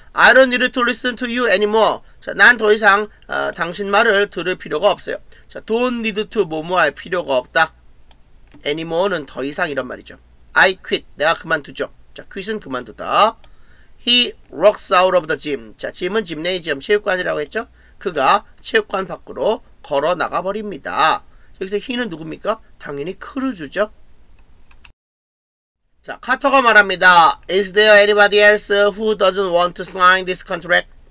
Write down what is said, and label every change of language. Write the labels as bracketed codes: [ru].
[en] I don't need to listen to you anymore. [ko] 자, 난 더 이상 당신 말을 들을 필요가 없어요. 자, don't need to 뭐뭐할 필요가 없다. anymore는 더 이상 이런 말이죠. [en] I quit. [ko] 내가 그만두죠. 자, quit은 그만두다. [en] He walks out of the gym. [ko] 자, gym은 gymnasium, 체육관이라고 했죠? 그가 체육관 밖으로 걸어 나가버립니다. 여기서 he는 누굽니까? 당연히 크루즈죠. 자, 카터가 말합니다. [en] Is there anybody else who doesn't want to sign this contract?